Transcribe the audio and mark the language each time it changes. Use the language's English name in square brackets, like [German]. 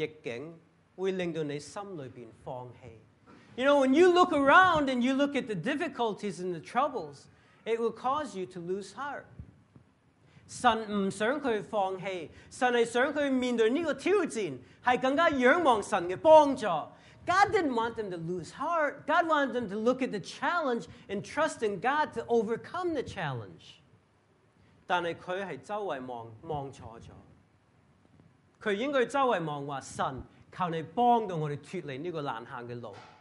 [Chinese] 周围望,见到困难逆境,会令到你心里边放弃。 [English] You know, when you look around and you look at the difficulties and the troubles, it will cause you to lose heart. [Chinese] 神不想他放弃, 神是想他面对这个挑战, 是更加仰望神的帮助。 [English] God didn't want them to lose heart. God wanted them to look at the challenge and trust in God to overcome the challenge. [Chinese] 但是他是周围望错了。他应该周围望说,神,求你帮到我们脱离这个难行的路。